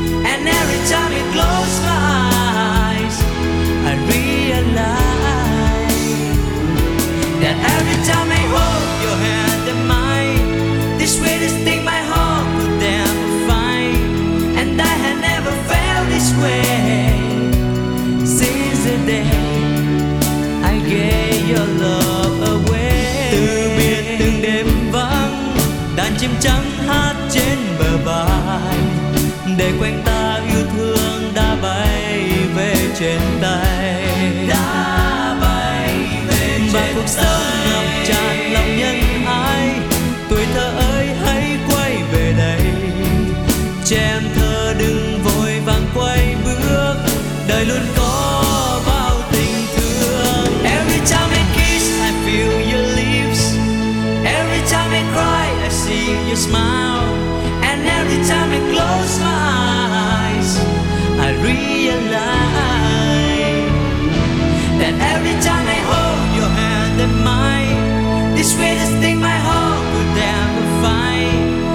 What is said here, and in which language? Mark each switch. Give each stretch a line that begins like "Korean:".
English: And every time you close my eyes, I realize that every time I hold your hand in mine, the sweetest thing my heart could ever find. And I had never felt this way since the day I gave your love away.
Vietnamese: Từ biệt từng đêm vắng, đàn chim trắng hát trên bờ bãi, để quanh ta yêu thương đã bay về trên tay, đã bay về trên tay. Và cuộc sống ngập tràn lòng nhân ái, tuổi thơ ơi hãy quay về đây, trẻ em thơ đừng quay bước, đời luôn có bao tình thương.
English: Every time I kiss, I feel your lips. Every time I cry, I see your smile. And every time I close my eyes, I realize that every time I hold your hand in mine, the sweetest thing my heart could ever find.